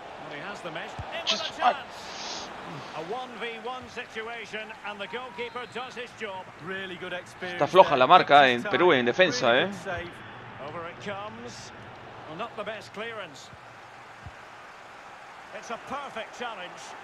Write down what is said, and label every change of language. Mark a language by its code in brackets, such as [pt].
[en] He has the mesh. It was a chance. A 1v1 situation and the goalkeeper does his job. Really good experience. [es] Está floja la marca en Perú en defensa, [en] Over it comes. Well, not the best clearance. It's a perfect challenge.